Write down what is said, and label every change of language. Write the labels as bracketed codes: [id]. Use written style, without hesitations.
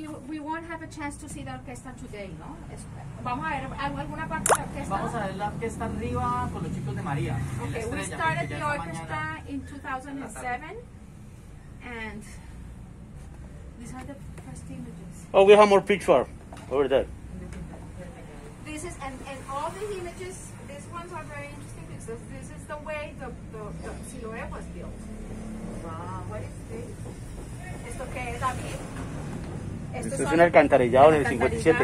[en] We won't have a chance to see the orquesta today, ¿no? [es] Vamos a ver alguna parte de la orquesta. Vamos a ver la orquesta arriba con los chicos de María. [en] Okay, [es] estrella, [en] we started the orchestra in 2007, and these are the first images. Oh, we have more picture over there. This is and all the images. These ones are very interesting. This is the way the silhouette was built. Wow, what is this? [es] Esto que es David. Esto es un alcantarillado en el 57.